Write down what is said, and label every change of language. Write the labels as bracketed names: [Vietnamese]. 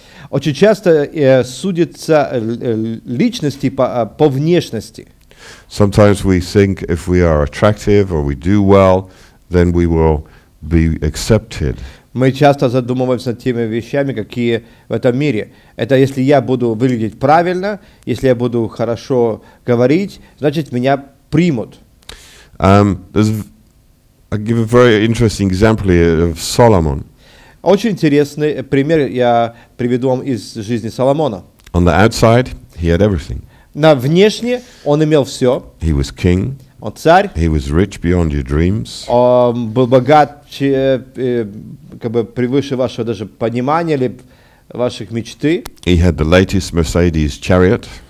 [Russian] Очень часто судится личности по внешности. [English] Sometimes we think if we are attractive or we do well, then we will be accepted. [Russian] Мы часто задумываемся над теми вещами, какие в этом мире. Это если я буду выглядеть правильно, если я буду хорошо говорить, значит меня примут. [English] I give a very interesting example here of Solomon. [Russian] Очень интересный пример я приведу вам из жизни Соломона. [English] On the outside, he had everything. [Russian] На внешне он имел все. [English] He was king. [Russian] Он царь. [English] He was rich beyond your dreams. [Russian] Он был богат, как бы превыше вашего даже понимания или ваших мечты. [English] He had the latest Mercedes chariot.